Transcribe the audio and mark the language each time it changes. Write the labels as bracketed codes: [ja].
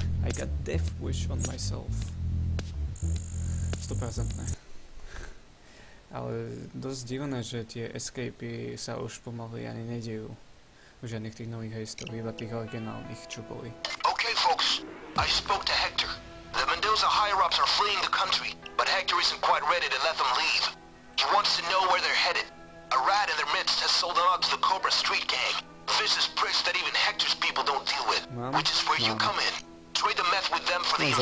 [en] I got death wish on myself. 100%. [sk] Ale dosť divné, že tie escapy sa už pomaly ani nedejú. U žiadnych tých nových hejstov, iba tých originálnych, čo boli. [en] OK, folks. I spoke to Hector. The Mendoza higher-ups are fleeing the country, but Hector isn't quite ready to let them leave. He wants to know where they're headed. A rat in their midst has sold them out to the Cobra Street Gang. Vicious pricks that even Hector's people don't deal with. [sk] Mám? [en] Which is where [sk] mám. [en] You come in. Trade the meth with them for the info.